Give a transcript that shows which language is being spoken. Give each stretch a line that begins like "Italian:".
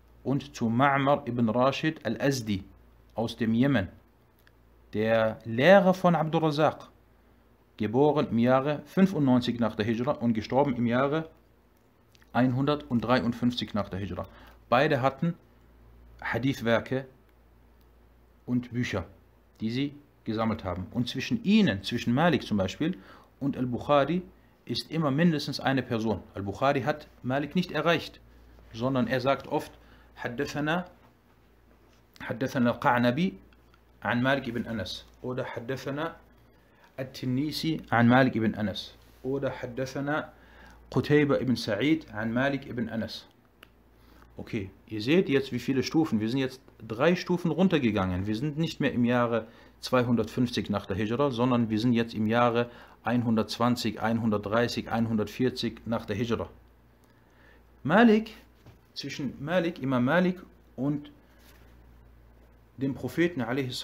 German: Und zu Ma'mar ibn Rashid al-Azdi aus dem Jemen, der Lehrer von Abdurrazzaq, geboren im Jahre 95 nach der Hijra und gestorben im Jahre 153 nach der Hijra. Beide hatten Hadithwerke und Bücher, die sie gesammelt haben. Und zwischen ihnen, zwischen Malik zum Beispiel und Al-Bukhari, ist immer mindestens eine Person. Al-Bukhari hat Malik nicht erreicht, sondern er sagt oft,
Arabic: حدثنا القعنبي عن مالك بن أنس
German: oder
Arabic: حدثنا التنيسي عن مالك بن أنس oder حدثنا قتيبة بن سعيد عن مالك بن أنس.
German: Okay, ihr seht jetzt, wie viele Stufen. Wir sind jetzt drei Stufen runtergegangen. Wir sind nicht mehr im Jahre 250 nach der Hijra, sondern wir sind jetzt im Jahre 120, 130, 140 nach der Hijra. Malik, zwischen Malik, Imam Malik und dem Propheten a.s.